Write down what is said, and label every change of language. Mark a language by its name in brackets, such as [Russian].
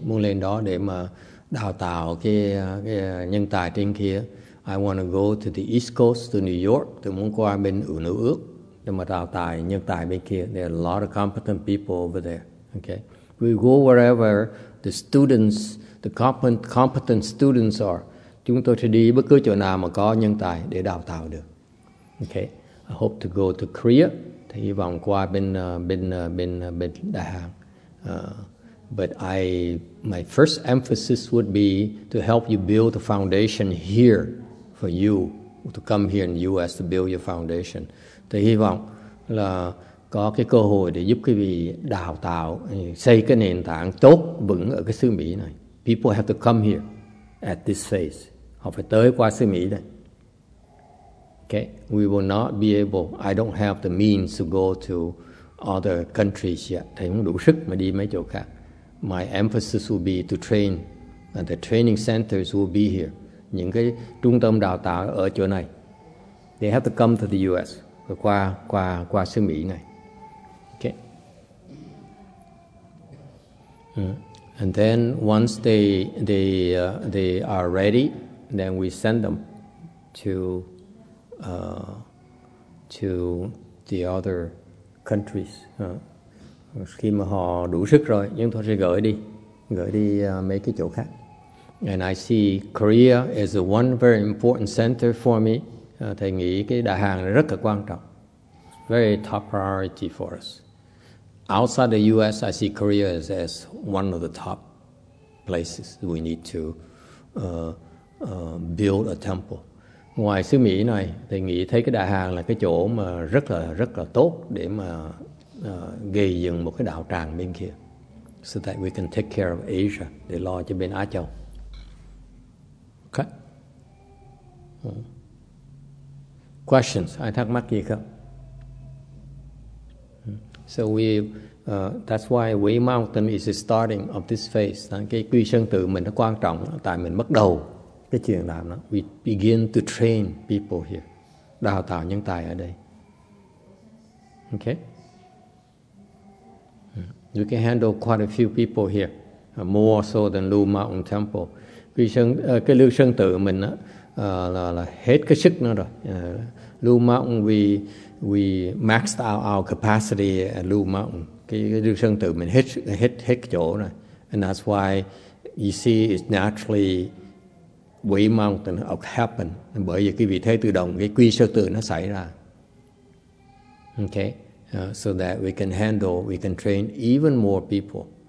[Vietnamese] Muốn lên đó để mà đào tạo cái nhân tài trên kia. [English] I want to go to the East Coast, to New York. [Vietnamese] Tôi muốn qua bên New York để mà đào tạo nhân tài bên kia. [English] There are a lot of competent people over there. Okay. We go wherever the students, the competent students are. [Vietnamese] Chúng tôi sẽ đi bất cứ chỗ nào mà có nhân tài để đào tạo được. Okay. [English] I hope to go to Korea. [Vietnamese] Thì hy vọng qua bên Đại Hàn. [English] But my first emphasis would be to help you build the foundation here for you to come here in the U.S. to build your foundation. [Vietnamese] Thì hy vọng là có cái cơ hội để giúp quý vị đào tạo, xây cái nền tảng tốt vững ở cái xứ Mỹ này. [English] People have to come here at this phase. [Vietnamese] Họ phải tới qua xứ Mỹ này. [English] Okay, we will not be able, I don't have the means to go to other countries yet. [Vietnamese] Thì không đủ sức mà đi mấy chỗ khác. [English] My emphasis will be to train, and the training centers will be here. [Vietnamese] Những cái trung tâm đào tạo ở chỗ này. [English] They have to come to the U.S. [Vietnamese] qua xứ Mỹ này. [English] Okay. And then once they are ready, then we send them to the other countries. [Vietnamese] Khi mà họ đủ sức rồi, chúng tôi sẽ gửi đi mấy cái chỗ khác. [English] And I see Korea is one very important center for me. [Vietnamese] Thầy nghĩ cái Đại Hàn rất là quan trọng. [English] Very top priority for us. Outside the U.S., I see Korea as one of the top places we need to build a temple. [Vietnamese] Ngoài xứ Mỹ này, thầy nghĩ thấy cái Đại Hàn là cái chỗ mà rất là tốt để mà gây dựng một cái đạo tràng bên kia. [English] So that we can take care of Asia, [Vietnamese] để lo cho bên Á Châu. [English] Okay. Questions? [Vietnamese] Ai thắc mắc gì không? [English] So we, that's why Way Mountain is the starting of this phase. [Vietnamese] Cái quy sơn tự mình nó quan trọng tại mình bắt đầu cái chuyện làm đó. [English] We begin to train people here. [Vietnamese] Đào tạo nhân tài ở đây. [English] Okay. We can handle quite a few people here, more so than Lu Mountain Temple. [Vietnamese] Cái lưu sơn tự mình đó, là hết cái sức nữa rồi. [English] Lu Mountain, we maxed out our capacity at Lu Mountain. [Vietnamese] Cái lưu sơn tự mình hết chỗ rồi. [English] And that's why you see it's naturally Way Mountain happen. [Vietnamese] Bởi vì cái vị thế tự động, cái quy sơn tự nó xảy ra. [English] Okay. So that we can train even more people.